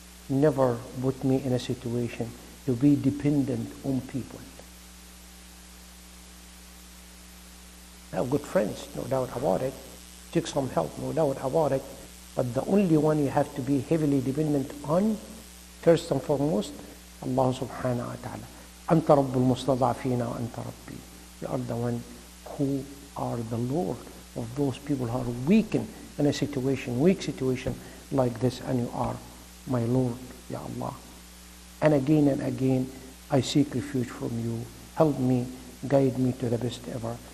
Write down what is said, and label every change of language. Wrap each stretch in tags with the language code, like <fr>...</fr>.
<en>Never put me in a situation to be dependent on people. I have good friends, no doubt about it. Take some help, no doubt about it. But the only one you have to be heavily dependent on, first and foremost, Allah subhanahu wa ta'ala.</en> <ar>أنت رب المستضعفين وأنت ربي.</ar> <en>You are the one who are the Lord of those people who are weak in a situation, weak situation like this, and you are my Lord, Ya Allah. And again, I seek refuge from you. Help me, guide me to the best ever.</en>